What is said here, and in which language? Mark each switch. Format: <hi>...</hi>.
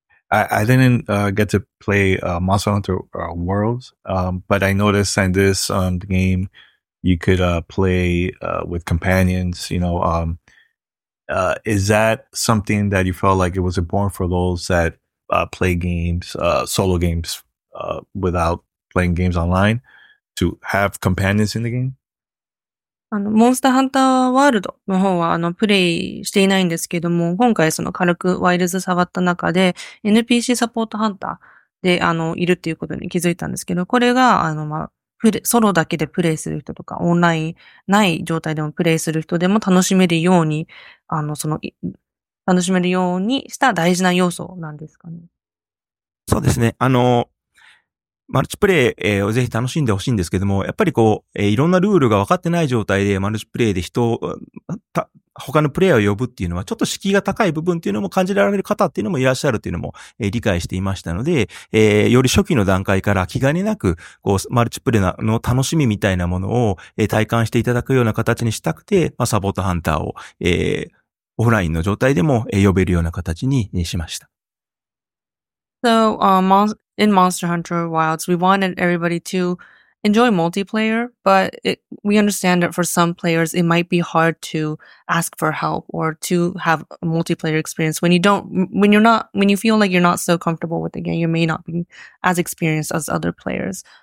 <en>I didn't get to play Monster Hunter Worlds, but I noticed in this game, you could play with companions. You know, is that something that you felt like it was important for those that play games, solo games, without playing games online, to have companions in the game?</en> <ja>モンスターハンターワールドの方は、プレイしていないんですけども、今回その軽くワイルズ触った中で、NPC サポートハンターで、いるっていうことに気づいたんですけど、これが、まあ、ソロだけでプレイする人とか、オンラインない状態でもプレイする人でも楽しめるように、楽しめるようにした大事な要素なんですかね。そうですね。マルチプレイ、をぜひ楽しんでほしいんですけども、やっぱりこう、いろんなルールが分かってない状態でマルチプレイで他のプレイヤーを呼ぶっていうのは、ちょっと敷居が高い部分っていうのも感じられる方っていうのもいらっしゃるっていうのも、理解していましたので、より初期の段階から気兼ねなく、こう、マルチプレイの楽しみみたいなものを、体感していただくような形にしたくて、まあ、サポートハンターを、オフラインの状態でも、呼べるような形にしました。</ja> <en>So, in Monster Hunter Wilds, we wanted everybody to enjoy multiplayer, but we understand that for some players, it might be hard to ask for help or to have a multiplayer experience when you feel like you're not so comfortable with the game, you may not be as experienced as other players.</en>